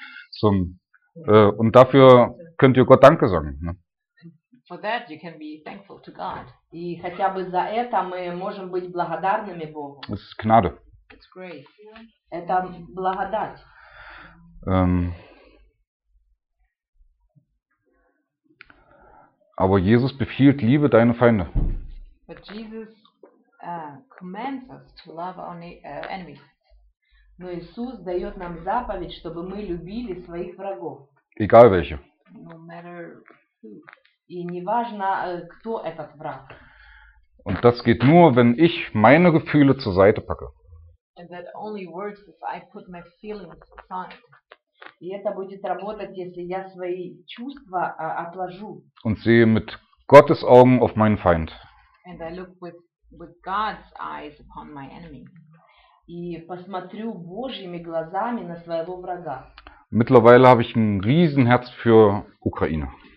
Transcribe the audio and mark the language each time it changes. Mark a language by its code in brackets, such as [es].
[de] So, und dafür könnt ihr Gott Danke sagen. Ne? [en] For that you can be thankful to God. [ru] И хотя бы за это мы можем быть благодарными Богу. [de] Das ist Gnade. [en] It's great. [ru] Это благодать. [de] Aber Jesus befiehlt, liebe deine Feinde. [en] But Jesus commands us to love our enemies. [ru] Но Иисус дает нам заповедь, чтобы мы любили своих врагов. [de] Egal welche. [en] No matter who. [ru] И неважно, кто этот враг. [de] Und das geht nur, wenn ich meine Gefühle zur Seite packe. [en] And that only works if I put my feelings aside. [ru] И это будет работать, если я свои чувства отложу. [de] Und sehe mit Gottes Augen auf meinen Feind. [en] And I look with God's eyes upon my enemy. [ru] и посмотрю Божьими глазами на своего врага. [de] Mittlerweile habe ich ein Riesenherz für Ukraine.